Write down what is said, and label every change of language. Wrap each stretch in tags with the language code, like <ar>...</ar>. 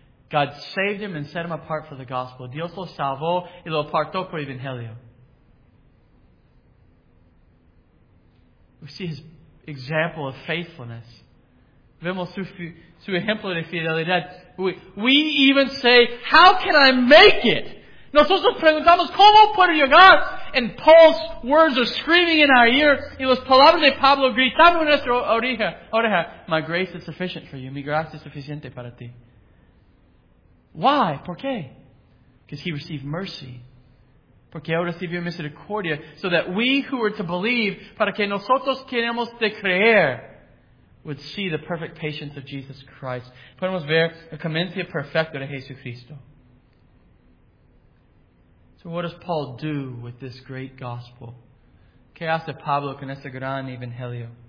<en>God saved him and set him apart for the gospel.</en> <es>Dios lo salvó y lo apartó por el evangelio.</es> <en>We see his example of faithfulness.</en> <es>Vemos su ejemplo de fidelidad.</es> <en>We even say, how can I make it?</en> <es>Nosotros preguntamos, ¿cómo puedo llegar?</es> <en>And Paul's words are screaming in our ear.</en> <es>Y las palabras de Pablo gritan en nuestra oreja.</es> <en>My grace is sufficient for you.</en> <es>Mi gracia es suficiente para ti.</es> <en>Why?</en> <es>¿Por qué?</es> <en>Because he received mercy.</en> <es>Porque él recibió misericordia.</es> <en>So that we who were to believe,</en> <es>para que nosotros queremos de creer,</es> <en>would see the perfect patience of Jesus Christ.</en> <es>Podemos ver la clemencia perfecta de Jesucristo.</es> <en>What does Paul do with this great gospel?</en> <es>¿Qué hace Pablo con este gran evangelio?</es>